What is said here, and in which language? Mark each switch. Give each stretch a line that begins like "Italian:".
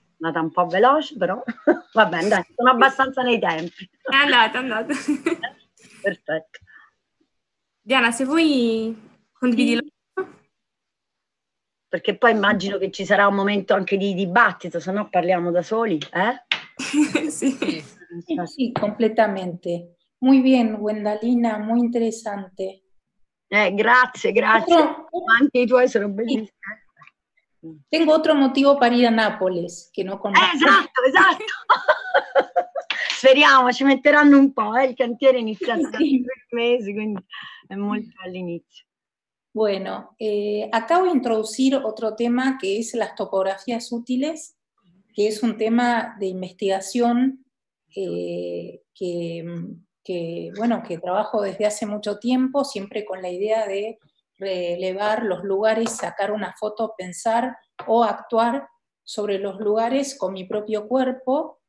Italian: È andata un po' veloce, però va bene, dai, sono abbastanza nei tempi. È andata. Perfetto. Diana, se vuoi condividi lo. Perché poi immagino che ci sarà un momento anche di dibattito, se no parliamo da soli, Sì. Sì, completamente.
Spanish: Muy bien, Wendalina, muy interesante.
Italian: Grazie. Però... anche i tuoi sono bellissimi. Sì.
Spanish: Tengo otro motivo para ir a Nápoles, que no conozco. Exacto.
Italian: Speriamo, ci metteranno un po', il cantiere inizia da 3 mesi, quindi è molto all'inizio.
Spanish: Bueno, acabo de introducir otro tema, que es las topografías útiles, que es un tema de investigación que trabajo desde hace mucho tiempo, siempre con la idea de relevar los lugares, sacar una foto, pensar o actuar sobre los lugares con mi propio cuerpo.